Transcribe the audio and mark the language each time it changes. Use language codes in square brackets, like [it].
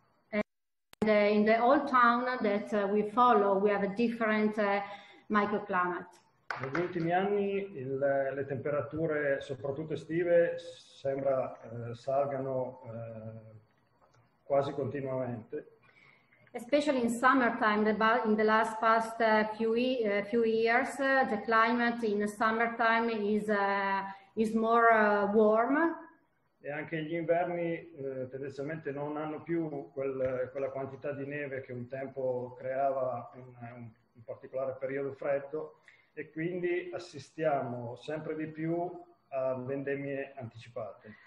[en] And in the old town that we follow, we have a different microclimate. [it] Negli ultimi anni le temperature, soprattutto estive, sembra salgano quasi continuamente. [en] Especially in summertime, in the last past few years, the climate in the summertime is more warm. [it] E anche gli inverni tendenzialmente non hanno più quella quantità di neve che un tempo creava un particolare periodo freddo, e quindi assistiamo sempre di più a vendemmie anticipate.